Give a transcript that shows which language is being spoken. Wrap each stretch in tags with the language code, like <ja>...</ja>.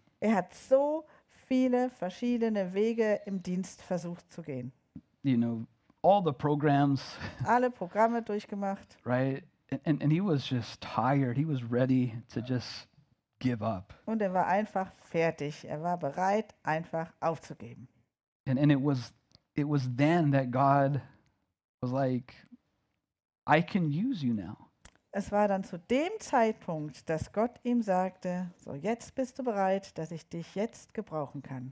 <de>Er hat so viele verschiedene Wege im Dienst versucht zu gehen.</de> <en>You know, all the programs.</en> <de>Alle Programme durchgemacht.</de> <en>Right, and he was just tired. He was ready to just give up.</en> <de>Und er war einfach fertig. Er war bereit, einfach aufzugeben.</de> <en>And it was then that God was like, I can use you now.</en> <de>Es war dann zu dem Zeitpunkt, dass Gott ihm sagte, so jetzt bist du bereit, dass ich dich jetzt gebrauchen kann.</de>